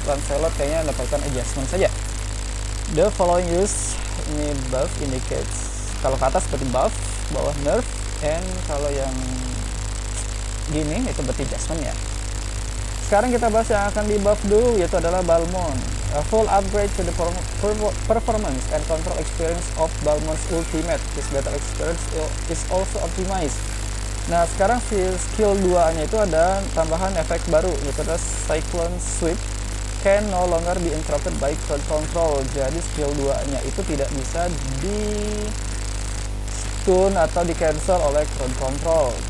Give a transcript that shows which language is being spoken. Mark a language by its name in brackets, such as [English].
[Indonesian] Lancelot kayaknya mendapatkan adjustment saja. [English] The following use, [Indonesian] ini buff indicates kalau ke atas berarti buff, bawah nerf, and kalau yang gini itu berarti adjustment ya. Oke, sekarang kita bahas yang akan di buff dulu, yaitu adalah Balmon. [English] A full upgrade to the performance and control experience of Balmon's ultimate. This battle experience is also optimized. [Indonesian] Nah, sekarang si skill 2-nya itu ada tambahan efek baru, yaitu adalah Cyclone Sweep. [English] Can no longer be interrupted by crowd control. [Indonesian] Jadi skill 2-nya itu tidak bisa di stun atau di cancel oleh crowd control.